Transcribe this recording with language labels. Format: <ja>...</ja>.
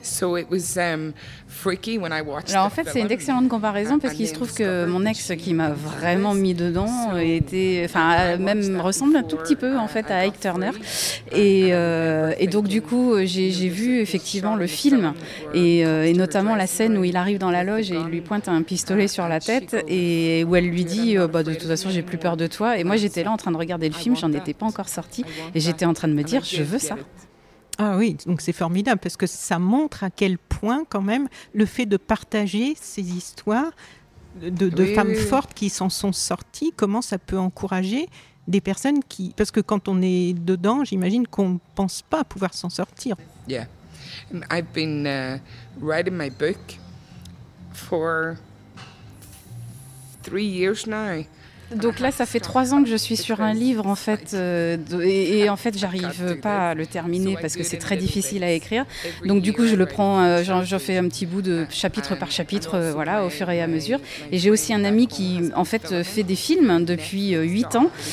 <en>So it was freaky when I watched.</en> <fr>Alors en fait, c'est une excellente comparaison parce qu'il se trouve que mon ex qui m'a vraiment mis dedans était, enfin, même ressemble un tout petit peu en fait à Ike Turner. Et donc du coup, j'ai vu effectivement le film et notamment la scène où il arrive dans la loge et il lui pointe un pistolet sur la tête et où elle lui dit, bah de toute façon, j'ai plus peur de toi. Et moi, j'étais là en train de regarder le film, j'en étais pas encore sortie. Et j'étais en train de me dire, je veux ça. Ah oui, donc c'est formidable parce que ça montre à quel point quand même le fait de partager ces histoires de femmes fortes qui s'en sont sorties, comment ça peut encourager des personnes qui... Parce que quand on est dedans, j'imagine qu'on ne pense pas pouvoir s'en sortir.</fr> <en>Yeah, I've been writing my book for 3 years now.</en> <fr>Donc là, ça fait 3 ans que je suis sur un livre, en fait, et en fait, j'arrive pas à le terminer parce que c'est très difficile à écrire. Donc du coup, je le prends, j'en fais un petit bout de chapitre par chapitre, voilà, au fur et à mesure. Et j'ai aussi un ami qui, en fait, fait des films depuis 8 ans.</fr>